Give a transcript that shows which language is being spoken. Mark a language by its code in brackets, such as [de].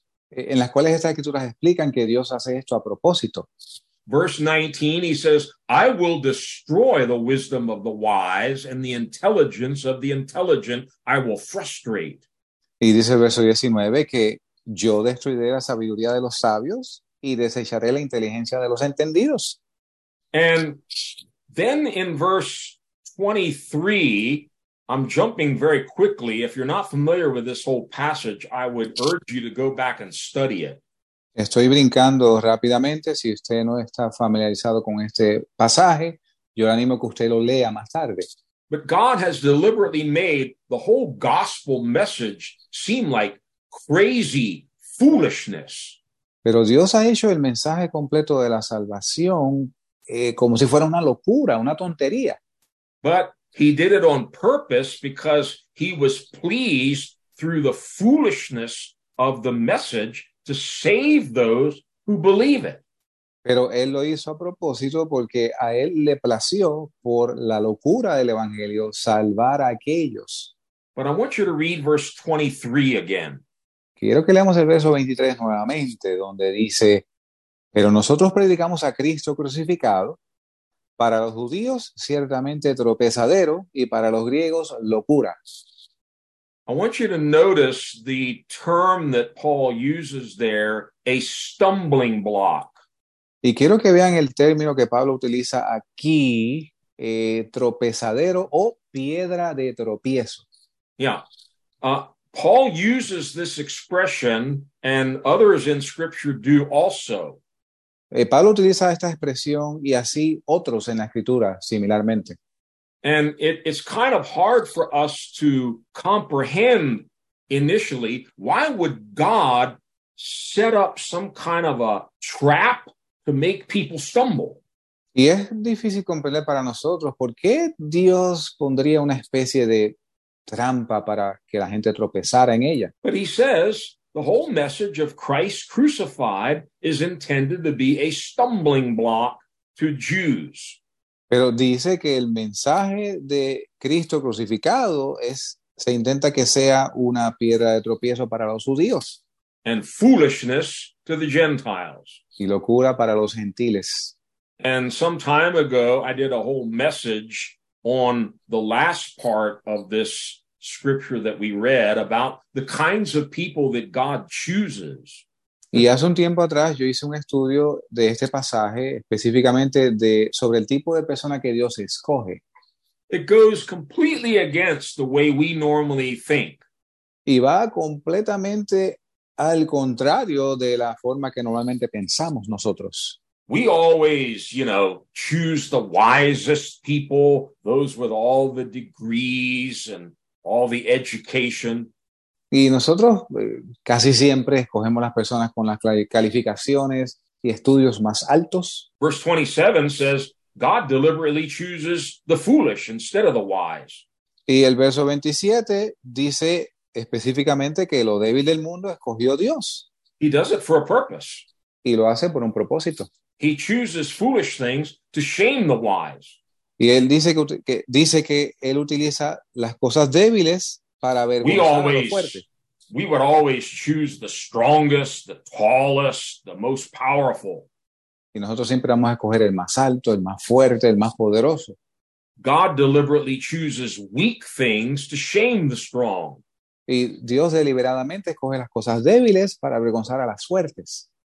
[es] En las cuales estas escrituras explican que Dios hace esto a propósito. [en] Verse 19, he says, I will destroy the wisdom of the wise and the intelligence of the intelligent I will frustrate. [es] Y dice el verso 19 que yo destruiré la sabiduría de los sabios y desecharé la inteligencia de los entendidos. [en] And then in verse 23, I'm jumping very quickly. If you're not familiar with this whole passage, I would urge you to go back and study it. [es] Estoy brincando rápidamente. Si usted no está familiarizado con este pasaje, yo le animo a que usted lo lea más tarde. [en] But God has deliberately made the whole gospel message seem like crazy foolishness. [es] Pero Dios ha hecho el mensaje completo de la salvación como si fuera una locura, una tontería. [en] But he did it on purpose because he was pleased through the foolishness of the message to save those who believe it. [es] Pero él lo hizo a propósito porque a él le plació por la locura del evangelio salvar a aquellos. [en] But I want you to read verse 23 again. [es] Quiero que leamos el verso 23 nuevamente, donde dice, pero nosotros predicamos a Cristo crucificado, para los judíos ciertamente tropezadero y para los griegos locura. [en] I want you to notice the term that Paul uses there, a stumbling block. [es] Y quiero que vean el término que Pablo utiliza aquí, tropezadero o piedra de tropiezo. [en] Yeah. Paul uses this expression, and others in Scripture do also. [es] Pablo utiliza esta expresión y así otros en la Escritura similarmente. [en] And it's kind of hard for us to comprehend initially why would God set up some kind of a trap to make people stumble. [es] Y es difícil comprender para nosotros por qué Dios pondría una especie de trampa para que la gente tropezara en ella. [en] But he says the whole message of Christ crucified is intended to be a stumbling block to Jews. [es] Pero dice que el mensaje de Cristo crucificado se intenta que sea una piedra de tropiezo para los judíos. [en] And foolishness to the Gentiles. [es] Y locura para los gentiles. [en] And some time ago, I did a whole message on the last part of this scripture that we read about the kinds of people that God chooses. [es] Y hace un tiempo atrás yo hice un estudio de este pasaje, específicamente sobre el tipo de persona que Dios escoge. [en] It goes completely against the way we normally think. [es] Y va completamente al contrario de la forma que normalmente pensamos nosotros. [en] We always, you know, choose the wisest people, those with all the degrees and all the education. [es] Y nosotros casi siempre escogemos las personas con las calificaciones y estudios más altos. [en] Verse 27 says, God deliberately chooses the foolish instead of the wise. [es] Y el verso 27 dice específicamente que lo débil del mundo escogió Dios. [en] He does it for a purpose. [es] Y lo hace por un propósito. [en] He chooses foolish things to shame the wise. [es] Y él dice que él utiliza las cosas débiles para avergonzar a los fuertes. [en] We would always choose the strongest, the tallest, the most powerful. [es] Y nosotros siempre vamos a escoger el más alto, el más fuerte, el más poderoso. [en] God deliberately chooses weak things to shame the strong. [es] Y Dios deliberadamente escoge las cosas débiles para avergonzar a las fuertes.